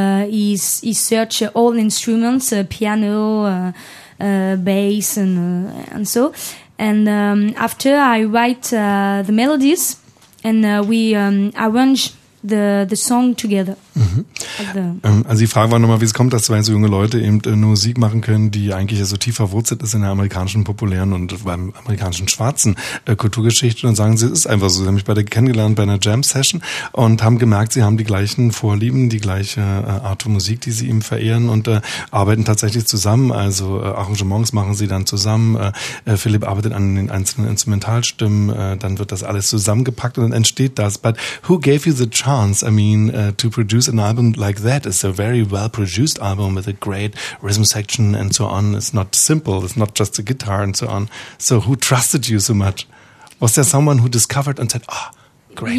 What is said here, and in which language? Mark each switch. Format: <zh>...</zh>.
<en>He search all instruments, piano, bass, and so. And after I write the melodies, and we arrange the song together.</en> <de>Also die Frage war nochmal, wie es kommt, dass zwei so junge Leute eben nur Musik machen können, die eigentlich so tief verwurzelt ist in der amerikanischen populären und beim amerikanischen schwarzen Kulturgeschichte. Und sagen sie, es ist einfach so. Sie haben mich bei der kennengelernt bei einer Jam-Session und haben gemerkt, sie haben die gleichen Vorlieben, die gleiche Art von Musik, die sie ihm verehren und arbeiten tatsächlich zusammen. Also Arrangements machen sie dann zusammen. Philipp arbeitet an den einzelnen Instrumentalstimmen. Dann wird das alles zusammengepackt und dann entsteht das.</de> <en>But who gave you the chance, to produce an album like that? It's a very well-produced album with a great rhythm section and so on. It's not simple. It's not just a guitar and so on. So who trusted you so much? Was there someone who discovered and said, ah, great?</en>